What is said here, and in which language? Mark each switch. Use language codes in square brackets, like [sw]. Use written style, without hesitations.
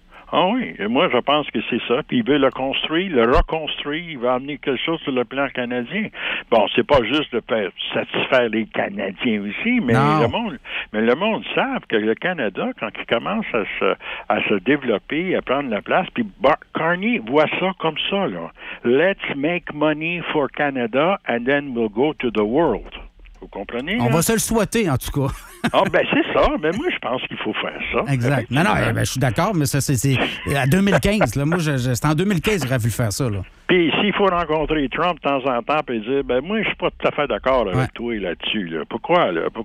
[fr] Ah oui, et moi, je pense que c'est ça. Puis il veut le construire, le reconstruire, il va amener quelque chose sur le plan canadien. Bon, c'est pas juste de faire satisfaire les Canadiens aussi, mais le monde sait que le Canada, quand il commence à se développer, à prendre la place, puis Carney voit ça comme ça, là. [en] Let's make money for Canada and then we'll go to the world. [fr] Vous comprenez? On va se le souhaiter, en tout cas. Ah, ben c'est ça. Mais moi, je pense qu'il faut faire ça. Exact. Non, je suis d'accord, mais ça, c'est à 2015. Là. Moi, c'est en 2015 que j'aurais vu faire ça. Puis s'il faut rencontrer Trump de temps en temps et dire, ben moi, je suis pas tout à fait d'accord avec toi là-dessus. Là. Pourquoi, là?